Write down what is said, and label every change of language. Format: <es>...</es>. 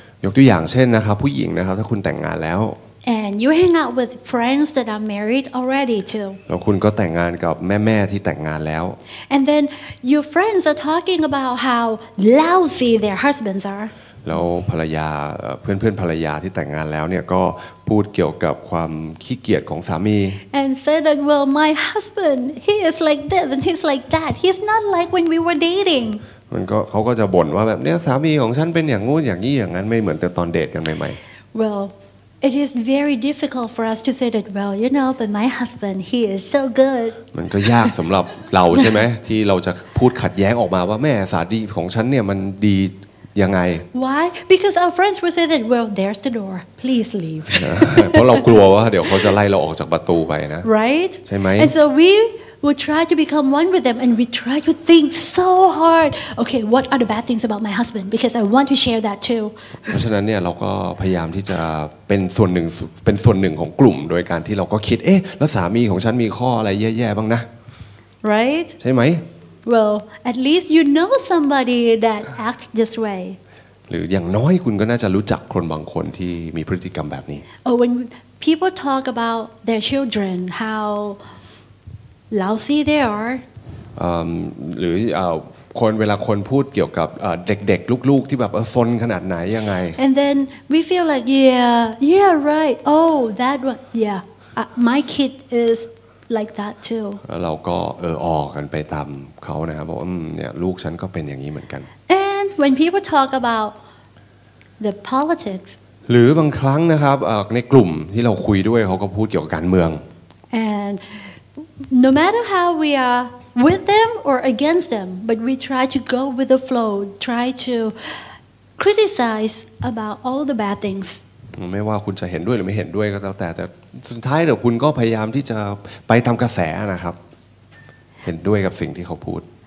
<th>ยกตัวอย่างเช่นนะครับผู้หญิงนะครับถ้าคุณแต่งงานแล้ว</th> <en>And you hang out with friends that are married already too</en> <th>แล้วคุณก็แต่งงานกับแม่ๆที่แต่งงานแล้ว</th> <en>And then your friends are talking about how lousy their husbands are</en> <th>แล้วภรรยาเพื่อนๆภรรยาที่แต่งงานแล้วเนี่ยก็พูดเกี่ยวกับความขี้เกียจของสามี</th> <en>And said like, well my husband he is like this and he's like that he's not like when we were dating</en> <th>มันก็เขาก็จะบ่นว่าแบบเนี้ยสามีของฉันเป็นอย่างงู้นอย่างนี้อย่างนั้นไม่เหมือนแต่ตอนเดทกันใหม่</th> <en>ๆ Well it is very difficult for us to say that well you know but my husband he is so good</en> <th>มันก็ยากสำหรับเรา ใช่ไหมที่เราจะพูดขัดแย้งออกมาว่าแม่สามีของฉันเนี่ยมันดียังไง</th> <en>Why? Because our friends will say that well there's the door please leave</en> <th>เพราะเรากลัวว่าเดี๋ยวเขาจะไล่เราออกจากประตูไปนะ</th> <en>Right</en> <th>ใช่ไหม</th> <en>And so we will try to become one with them and we try to think so hard okay what are the bad things about my husband because I want to share that too</en> <th>เพราะฉะนั้นเนี่ยเราก็พยายามที่จะเป็นส่วนหนึ่งของกลุ่มโดยการที่เราก็คิดเอ๊ะแล้วสามีของฉันมีข้ออะไรแย่ๆบ้างนะ</th> <en>Right</en> <th>ใช่ไหม</th> <en>Well, at least you know somebody that acts this way.</en> <th>หรืออย่างน้อยคุณก็น่าจะรู้จักคนบางคนที่มีพฤติกรรมแบบนี้</th> <en>Oh, when people talk about their children, how lousy they are.</en> <th>หรือคนเวลาคนพูดเกี่ยวกับเด็กๆลูกๆที่แบบซนขนาดไหนยังไง</th> <en>And then we feel like, yeah, right. Oh, that one, yeah. My kid is. Like that too.</en> <th>แล้วเราก็ออกกันไปตามเขานะครับบอกเนี่ยลูกฉันก็เป็นอย่างนี้เหมือนกัน</th> <en>And when people talk about the politics</en> <th>หรือบางครั้งนะครับในกลุ่มที่เราคุยด้วยเขาก็พูดเกี่ยวกับการเมือง</th> <en>And no matter how we are with them or against them but we try to go with the flow try to criticize about all the bad things</en> <th>ไม่ว่าคุณจะเห็นด้วยหรือไม่เห็นด้วยก็แต่สุดท้ายเดี๋ยวคุณก็พยายามที่จะไปทำกระแสนะครับเห็นด้วยกับสิ่งที่เขาพูด</th>